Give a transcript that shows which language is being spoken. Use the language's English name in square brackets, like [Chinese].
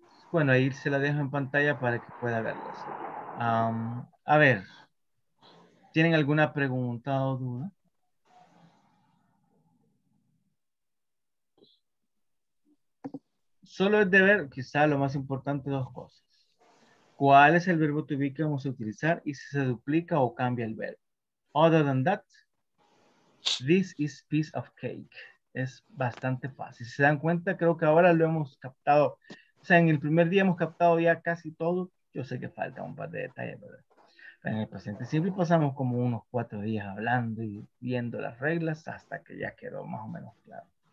[Spanish] Bueno, ahí se la dejo en pantalla para que pueda verlas. A ver, ¿tienen alguna pregunta o duda? Solo es de ver, quizá lo más importante, dos cosas. ¿Cuál es el verbo to be que vamos a utilizar y si se duplica o cambia el verbo? [English] Other than that, this is piece of cake. [Spanish] Es bastante fácil. Si se dan cuenta, creo que ahora lo hemos captado. O sea, en el primer día hemos captado ya casi todo. Yo sé que falta un par de detalles, ¿verdad? Pero en el presente simple pasamos como unos 4 días hablando y viendo las reglas hasta que ya quedó más o menos claro.